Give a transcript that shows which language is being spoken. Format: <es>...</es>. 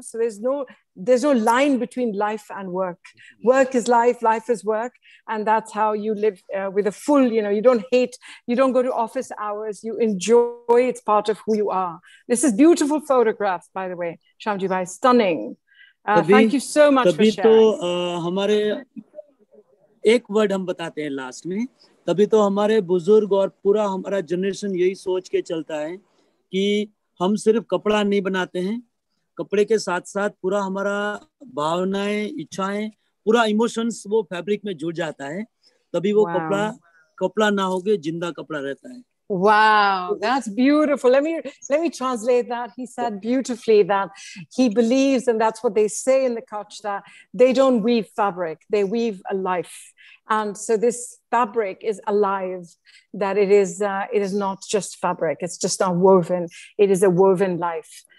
<en>So there's no line between life and work. Work is life, life is work. And that's how you live with a full, you don't hate, you don't go to office hours, you enjoy, it's part of who you are. This is beautiful photographs, by the way, Shamjibai, stunning. Thank you so much for sharing.</en> <hi>एक word हम बताते हैं last में तभी तो हमारे बुजुर्ग और पूरा हमारा जनरेशन यही सोच के चलता है कि हम सिर्फ कपड़ा नहीं बनाते हैं कपड़े के साथ साथ पूरा हमारा भावनाएं इच्छाएं पूरा इमोशंस वो फैब्रिक में जुड़ जाता है तभी वो कपड़ा ना होगे जिंदा कपड़ा रहता है</hi> <en>Wow, that's beautiful. Let me translate that. He said beautifully that he believes, and that's what they say in the culture, that they don't weave fabric, they weave a life. And so this fabric is alive, that it is not just fabric, it's just not woven, it is a woven life.</en>